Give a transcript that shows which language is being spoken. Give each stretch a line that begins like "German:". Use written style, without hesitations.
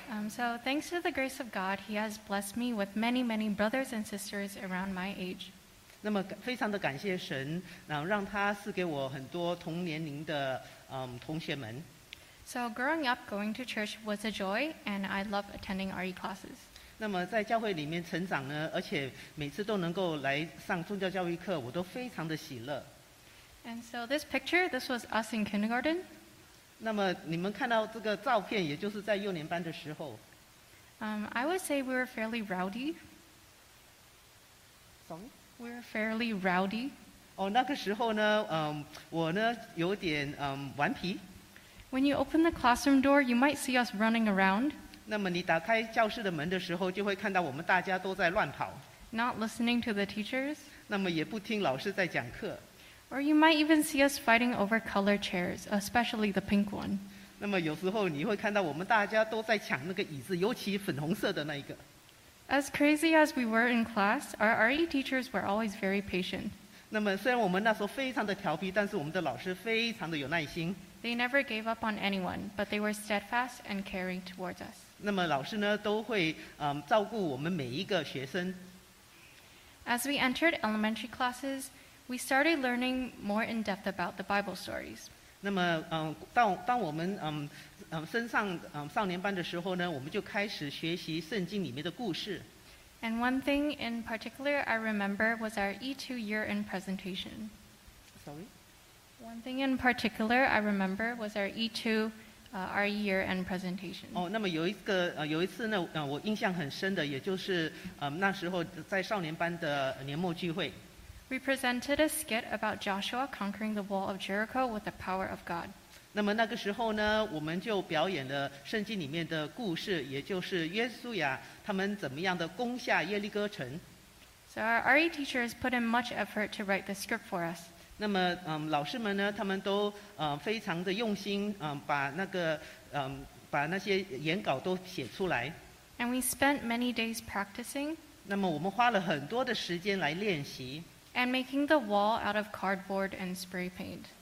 English: So thanks to the grace of God, He has blessed me with many, many brothers and sisters around my age.
Chinese: 那么非常的感谢神，然后让他赐给我很多同年龄的同学们。
English: So growing up, going to church was a joy, and I love attending RE classes.
Chinese: 那么在教会里面成长呢，而且每次都能够来上宗教教育课，我都非常的喜乐。
English: And so this was us in kindergarten.
Chinese: 那么你们看到这个照片，也就是在幼年班的时候。
English: I would say we were fairly rowdy. Sorry? We're fairly rowdy.
Chinese: 哦，那个时候呢，我呢有点顽皮。
English: When you open the classroom door, you might see us running around.
Chinese: 那么你打开教室的门的时候，就会看到我们大家都在乱跑。
English: Not listening to the teachers.
Chinese: 那么也不听老师在讲课。
English: Or you might even see us fighting over color chairs, especially the pink one.
Chinese: 那么有时候你会看到我们大家都在抢那个椅子，尤其粉红色的那一个。
English: As crazy as we were in class, our RE teachers were always very patient.
Chinese: 那么虽然我们那时候非常的调皮，但是我们的老师非常的有耐心。
English: They never gave up on anyone, but they were steadfast and caring towards us.
Chinese: 那么老师呢都会照顾我们每一个学生。
English: As we entered elementary classes, we started learning more in depth about the Bible stories.
Chinese: 那么当我们升上少年班的时候呢，我们就开始学习圣经里面的故事。
English: And one thing in particular I remember was our E2 year end presentation. Sorry? One thing in particular I remember was our E2 our year end presentation.
Chinese: 哦，那么有一个有一次呢，我印象很深的，也就是那时候在少年班的年末聚会。
English: We presented a skit about Joshua conquering the wall of Jericho with the power of God.
Chinese: 那么那个时候呢，我们就表演了圣经里面的故事，也就是约书亚他们怎么样的攻下耶利哥城。
English: So our RE teachers put in much effort to write the script for us.
Chinese: 那么老师们呢，他们都非常的用心把那个把那些演稿都写出来。
English: And we spent many days practicing.
Chinese: 那么我们花了很多的时间来练习。
English: And making the wall out of cardboard and spray paint.